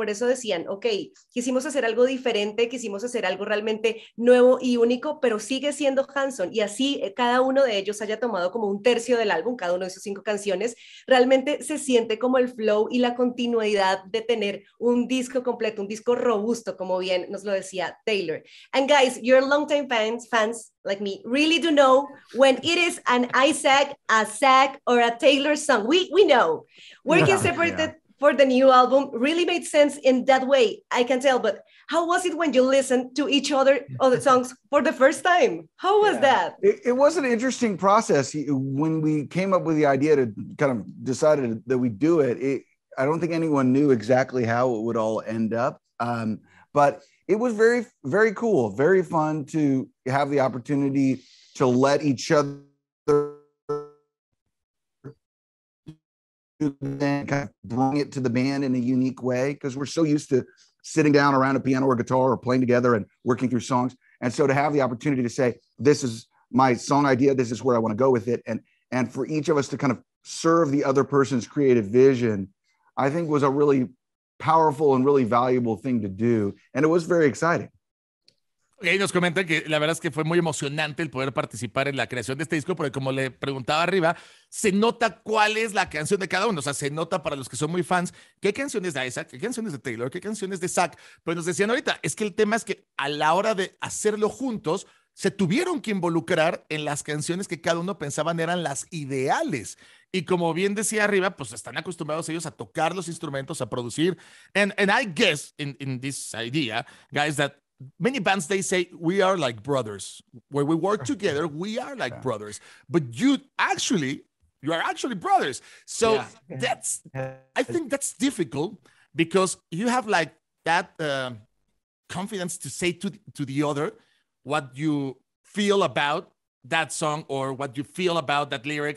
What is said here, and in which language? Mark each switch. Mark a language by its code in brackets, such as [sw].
[es] Por eso decían, ok, quisimos hacer algo diferente, quisimos hacer algo realmente nuevo y único, pero sigue siendo Hanson, y así cada uno de ellos haya tomado como un tercio del álbum, cada uno de sus cinco canciones, realmente se siente como el flow y la continuidad de tener un disco completo, un disco robusto, como bien nos lo decía Taylor. [en] And guys, you're longtime fans like me, really do know when it is an Isaac, a Zach, or a Taylor song. We know. Working separated for the new album really made sense in that way, I can tell. But how was it when you listened to each other of the songs for the first time? How was that? It was an interesting process. When we came up with the idea to kind of decided that we do it, I don't think anyone knew exactly how it would all end up. But it was very, very cool, very fun to have the opportunity to let each other then kind of bring it to the band in a unique way, because we're so used to sitting down around a piano or guitar or playing together and working through songs. And so to have the opportunity to say, this is my song idea, this is where I want to go with it, and for each of us to kind of serve the other person's creative vision, I think was a really powerful and really valuable thing to do. And it was very exciting. [es] Y ellos comentan que la verdad es que fue muy emocionante el poder participar en la creación de este disco, porque como le preguntaba arriba, se nota cuál es la canción de cada uno. O sea, se nota para los que son muy fans, qué canción es de Isaac, qué canción es de Taylor, qué canción es de Zach. Pues nos decían ahorita, es que el tema es que a la hora de hacerlo juntos, se tuvieron que involucrar en las canciones que cada uno pensaban eran las ideales. Y como bien decía arriba, pues están acostumbrados ellos a tocar los instrumentos, a producir. [en] And I guess in this idea, guys, that many bands, they say, we are like brothers. When we work together, we are like brothers. But you are actually brothers. So that's, I think that's difficult, because you have like that confidence to say to the other what you feel about that song or what you feel about that lyric.